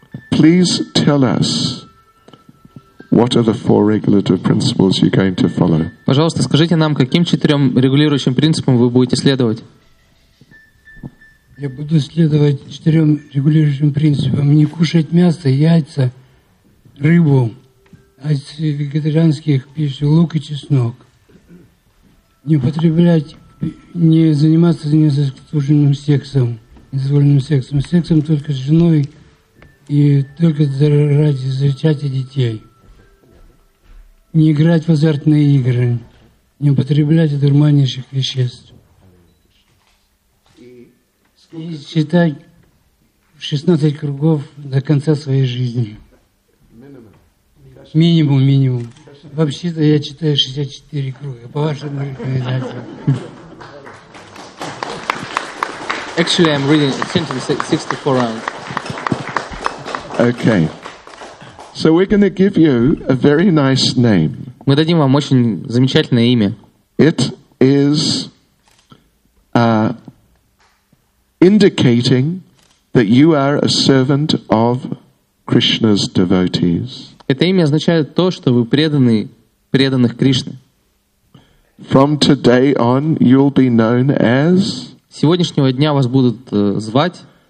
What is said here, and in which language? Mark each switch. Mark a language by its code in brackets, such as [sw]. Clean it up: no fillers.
[en] Please tell us what are the four regulative principles you're going to follow. [ru] Пожалуйста, скажите нам, каким четырем регулирующим принципам вы будете следовать. Я буду следовать четырем регулирующим принципам: не кушать мясо, яйца, рыбу, а из вегетарианских пищ лук и чеснок. Не употреблять, не заниматься незаслуженным сексом, незаконным сексом. Сексом только с женой и только ради зачатия детей. Не играть в азартные игры. Не употреблять одурманивающих веществ. И считать 16 кругов до конца своей жизни. Минимум, минимум. Вообще-то я читаю 64 круга, по вашим рекомендациям. [en] Actually, I'm reading 64 rounds. Okay. So we're going to give you a very nice name. [ru] Мы дадим вам очень замечательное имя. [en] It is indicating that you are a servant of Krishna's devotees. [ru] Это имя означает то, что вы преданный преданных Кришны. [en] From today on, you'll be known as. [ru] С сегодняшнего дня вас будут звать